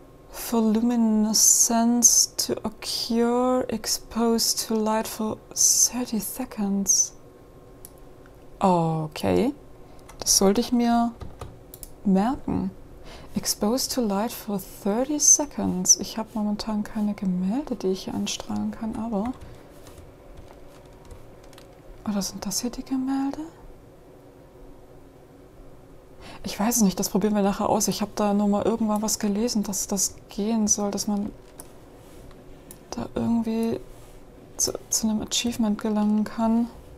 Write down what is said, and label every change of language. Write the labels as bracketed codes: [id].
[en] For luminescence to occur exposed to light for 30 seconds. Okay. [de] Das sollte ich mir merken. [en] Exposed to light for 30 seconds. [de] Ich habe momentan keine Gemälde, die ich hier anstrahlen kann, aber... Oder sind das hier die Gemälde? Ich weiß es nicht, das probieren wir nachher aus. Ich habe da nur mal irgendwann was gelesen, dass das gehen soll, dass man da irgendwie zu einem Achievement gelangen kann.